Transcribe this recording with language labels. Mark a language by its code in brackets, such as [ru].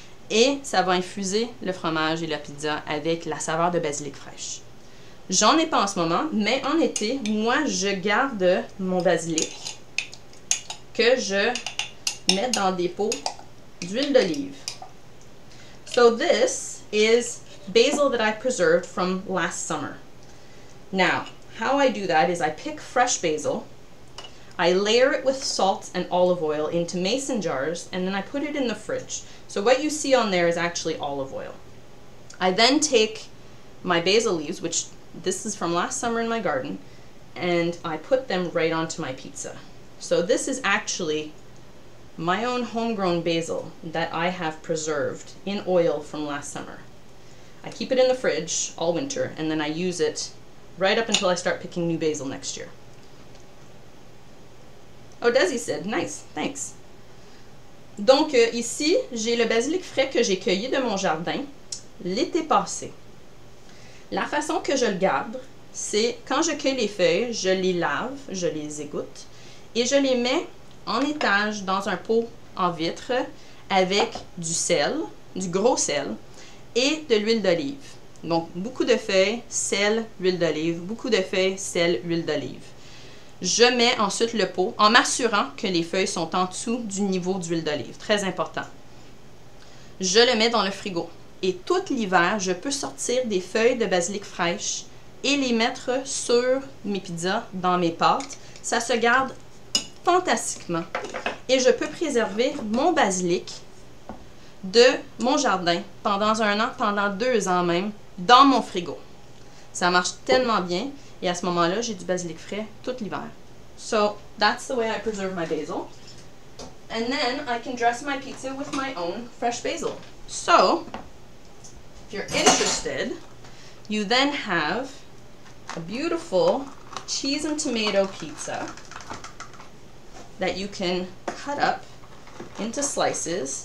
[fr] Et ça va infuser le fromage et la pizza avec la saveur de basilic fraîche. J'en ai pas en ce moment, mais en été, moi, je garde mon basilic que je mets dans des pots d'huile d'olive. [en] So this is basil that I preserved from last summer. Now, how I do that is I pick fresh basil, I layer it with salt and olive oil into mason jars, and then I put it in the fridge. So what you see on there is actually olive oil. I then take my basil leaves, which this is from last summer in my garden, and I put them right onto my pizza. So this is actually my own homegrown basil that I have preserved in oil from last summer. I keep it in the fridge all winter, and then I use it right up until I start picking new basil next year. Oh, Desi said, nice, thanks. [fr] Donc ici, j'ai le basilic frais que j'ai cueilli de mon jardin l'été passé. La façon que je le garde, c'est quand je cueille les feuilles, je les lave, je les égoutte, et je les mets en étage dans un pot en vitre avec du sel, du gros sel, et de l'huile d'olive. Donc, beaucoup de feuilles, sel, huile d'olive, beaucoup de feuilles, sel, huile d'olive. Je mets ensuite le pot en m'assurant que les feuilles sont en dessous du niveau d'huile d'olive. Très important. Je le mets dans le frigo. Et tout l'hiver, je peux sortir des feuilles de basilic fraîche et les mettre sur mes pizzas, dans mes pâtes. Ça se garde fantastiquement et je peux préserver mon basilic de mon jardin pendant un an, pendant deux ans même, dans mon frigo. Ça marche tellement bien et à ce moment-là, j'ai du basilic frais tout l'hiver. [en] So, that's the way I preserve my basil. And then I can dress my pizza with my own fresh basil. So, if you're interested, you then have a beautiful cheese and tomato pizza that you can cut up into slices.